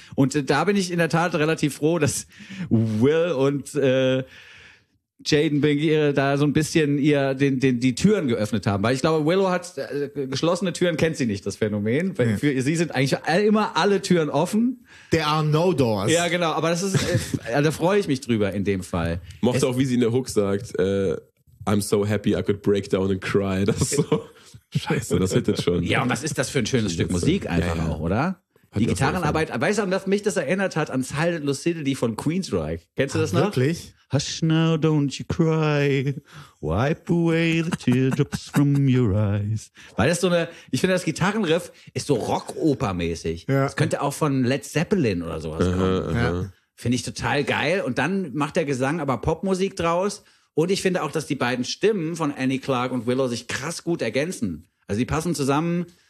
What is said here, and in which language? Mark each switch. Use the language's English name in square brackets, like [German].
[German] Und da bin ich in der Tat relativ froh, dass Will und Jaden Pinkett da so ein bisschen ihr die Türen geöffnet haben. Weil ich glaube, Willow hat geschlossene Türen, kennt sie nicht, das Phänomen. Weil sie sind eigentlich immer alle Türen offen. [English] There are no doors. [German] Ja, genau. Aber da freue ich mich drüber in dem Fall. Mochte auch, wie sie in der Hook sagt, [English] I'm so happy I could break down and cry. [German] Das ist so. Scheiße, das hittet schon. Ja, und was ist das für ein schönes Stück Musik einfach auch, oder? Die Gitarrenarbeit, weißt du, an was mich das erinnert hat? An Silent Lucidity von Queensryche. Kennst du das noch? Wirklich? [English] Hush now, don't you cry. Wipe away the teardrops from your eyes. [German] Weil das so eine, ich finde, das Gitarrenriff ist so Rockoper-mäßig. Ja. Das könnte auch von Led Zeppelin oder sowas kommen. Ja. Finde ich total geil. Und dann macht der Gesang aber Popmusik draus. Und ich finde auch, dass die beiden Stimmen von Annie Clark und Willow sich krass gut ergänzen. Also die passen zusammen.